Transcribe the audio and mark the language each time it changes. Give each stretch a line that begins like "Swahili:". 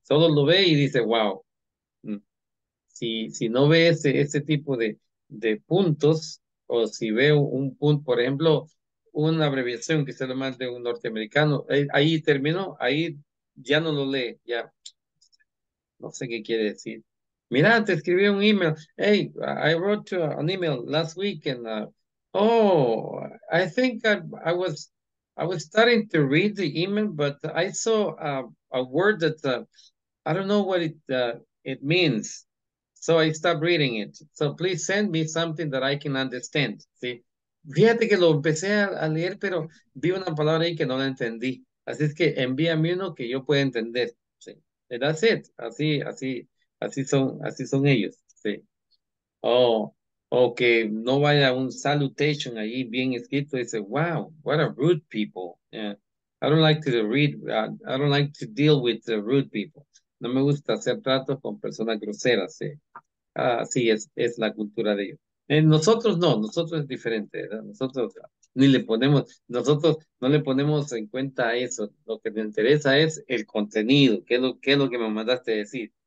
Spanish: Solo lo ve y dice, wow. Si no ve ese tipo de puntos, o si veo un punto, por ejemplo, una abreviación que se le manda un norteamericano, ahí terminó, ahí ya no lo lee, ya. No sé qué quiere decir. Mira, te escribí un email.
English: Hey, I wrote you an email last week and I think I was starting to read the email, but I saw a word that I don't know what it means, so I stopped reading it. So please send me something that I can understand.
Spanish: ¿Sí? Fíjate que lo empecé a leer, pero vi una palabra ahí que no la entendí. Así es que envíame uno que yo pueda entender. ¿Sí?
English: And that's it.
Spanish: Así son ellos, sí. O que no vaya un salutation ahí bien escrito, dice, wow,
English: what a rude people.
Spanish: Yeah.
English: I don't like to deal with the rude people.
Spanish: No me gusta hacer tratos con personas groseras, sí. Así es la cultura de ellos. Nosotros no, nosotros es diferente, ¿verdad? Nosotros ni le ponemos, nosotros no le ponemos en cuenta eso. Lo que me interesa es el contenido, qué es lo que me mandaste decir.